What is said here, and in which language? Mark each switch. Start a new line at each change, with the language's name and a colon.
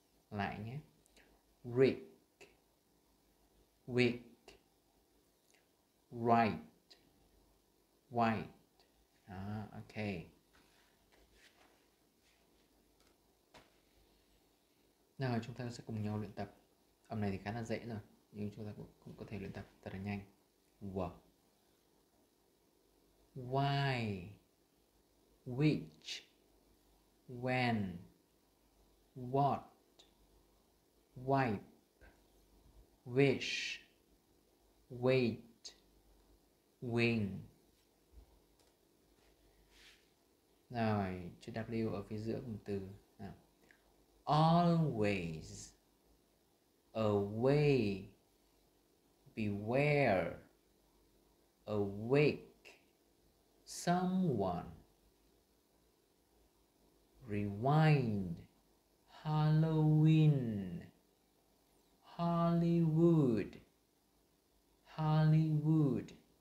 Vietnamese: Lại nhé.
English: Rick, wick, right, white. À, ok.
Vietnamese: Nào chúng ta sẽ cùng nhau luyện tập. Âm này thì khá là dễ rồi, nhưng chúng ta cũng có thể luyện tập thật là nhanh.
English: W. Why, which, when, what, wipe, wish, wait, wing.
Vietnamese: Rồi, chữ W ở phía giữa cụm từ.
English: Nào. Always away, beware, awake, someone, rewind, Halloween, Hollywood, Hollywood.